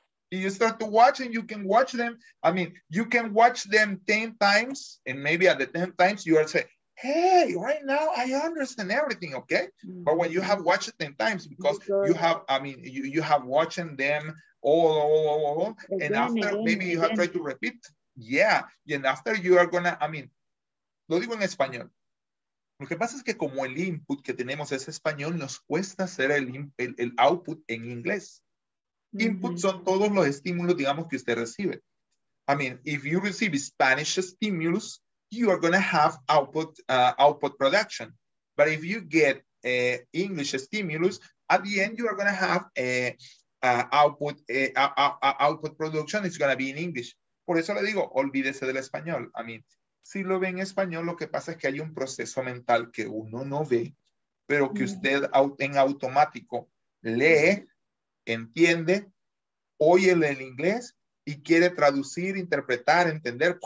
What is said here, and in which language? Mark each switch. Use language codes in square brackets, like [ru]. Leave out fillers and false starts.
[en] You start to watch and you can watch them. You can watch them 10 times, and maybe at the 10th time you are saying, hey, right now I understand everything, okay? Mm-hmm. But when you have watched 10 times, because you have, you have watching them all and after maybe you have tried to repeat. Yeah, and after you are gonna, [es] lo digo en español. Lo que pasa es que como el input que tenemos es español, nos cuesta hacer el output en inglés. Input son todos los estímulos, digamos, que usted recibe. [en] If you receive Spanish stimulus, you are going to have output production. But if you get English stimulus, at the end you are going to have output production. It's going to be in English. [es] Por eso le digo, olvídese del español. Si lo ve en español, lo que pasa es que hay un proceso mental que uno no ve, pero que usted en automático lee, entiende, oye el inglés y quiere traducir, interpretar, entender.